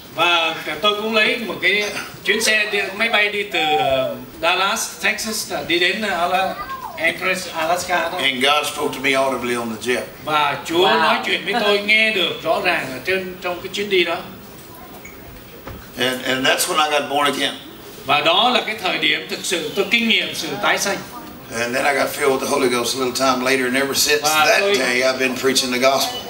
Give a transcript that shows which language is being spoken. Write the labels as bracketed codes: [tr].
[vi] Và tôi cũng lấy một cái chuyến xe đi, máy bay đi từ Dallas, Texas đi đến Anchorage, Alaska. [en] And God spoke to me audibly on the jet. [vi] Và Chúa nói chuyện với tôi nghe được rõ ràng ở trong cái chuyến đi đó. [en] And that's when I got born again. [vi] Và đó là cái thời điểm thực sự tôi kinh nghiệm sự tái sinh. [en] And then I got filled with the Holy Ghost a little time later, and ever since that day I've been preaching the gospel.